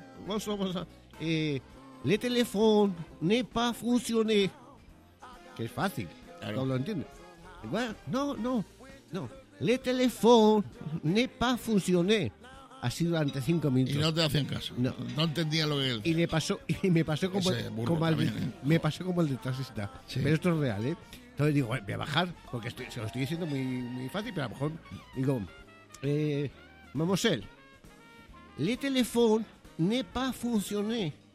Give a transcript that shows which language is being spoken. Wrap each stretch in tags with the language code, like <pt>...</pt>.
<fr>Le téléphone n'est pas fonctionné.</fr> <es>Que es fácil, claro. Todo lo entiendo.</es> <fr>Bueno, no. Le téléphone n'est pas fonctionné.</fr> <es>Así durante 5 minutos. Y no te hacían caso. No entendía lo que él. Y le pasó, y me pasó como, me pasó como el de taxista. Sí. Pero esto es real, ¿eh? Entonces digo, voy a bajar, porque estoy, se lo estoy diciendo muy, muy fácil, pero a lo mejor.</es> <fr>Digo, mademoiselle, le téléphone n'est pas fonctionné.</fr>